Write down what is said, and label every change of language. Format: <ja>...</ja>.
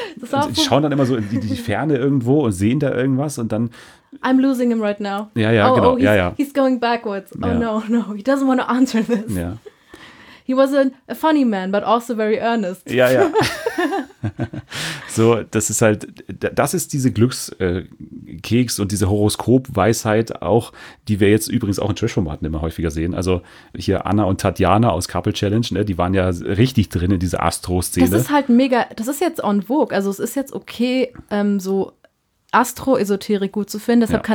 <de>so, schauen dann immer so in die Ferne irgendwo und sehen da irgendwas und dann</de> <en>I'm losing him right now.</en> <de>Ja, ja, oh, genau.</de> <en>Oh, he's,</en> <de>ja, ja.</de> <en>He's going backwards. Oh, ja. No, no. He doesn't want to answer this.</en> <de>Ja.</de> <en>He was a funny man, but also very earnest.</en> <de>Ja, ja. So, das ist halt, das ist diese Glückskeks und diese Horoskop-Weisheit auch, die wir jetzt übrigens auch in Trash-Formaten immer häufiger sehen. Also hier Anna und Tatjana aus Couple Challenge, ne, die waren ja richtig drin in dieser Astro-Szene. Das ist halt mega, das ist jetzt en vogue. Also es ist jetzt okay, so Astro-Esoterik gut zu finden. Deshalb ja.</de>